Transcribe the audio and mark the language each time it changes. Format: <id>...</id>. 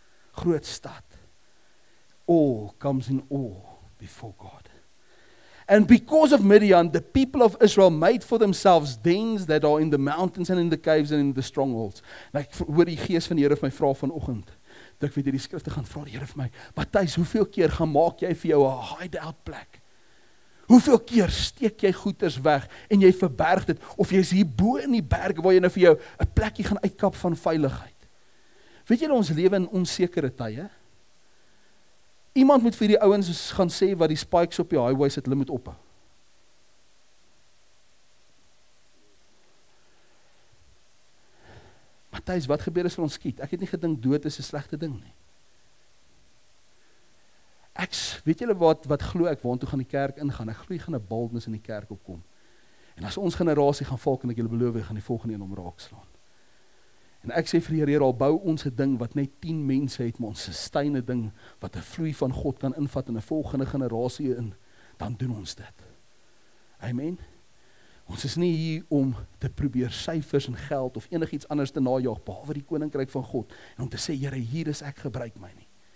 <af>Groot stad.</af> <en>All comes in awe before God. And because of Midian, the people of Israel made for themselves dens that are in the mountains and in the caves and in the strongholds.</en> <af>En ek hoor die geest van die Here vir my vraag vanochtend. Ek weet die skrifte gaan vraag die Here vir my, Matthys, hoeveel keer gaan maak jy vir jou een hide-out plek? Hoeveel keer steek jy goeders weg en jy verberg dit, of jy is hier bo in die berg waar jy nou vir jou een plekje gaan uitkap van veiligheid? Weet jy ons leven in onsekere tye? Iemand moet vir die ouwens gaan sê wat die spikes op die highway sit, hulle moet ophou. Matthys, wat gebeur as ons skiet? Ek het nie gedink dood is 'n slegte ding nie. Ek, weet julle wat glo ek, waartoe gaan die kerk ingaan? Ek glo jy gaan 'n baldness in die kerk opkom. En as ons generasie gaan val, kan ek julle beloof, gaan die volgende een om raak slaan. En ek sê vir die Here, al bou ons 'n ding wat net 10 mense het, maar ons sustaine ding, wat 'n vloei van God kan invat in 'n volgende generasie in, dan doen ons dit. Amen. Ons is nie hier om te probeer syfers en geld of enig iets anders te najaag, behalwe die koninkryk van God, en om te sê, Here, hier is ek, gebruik my nie.</af>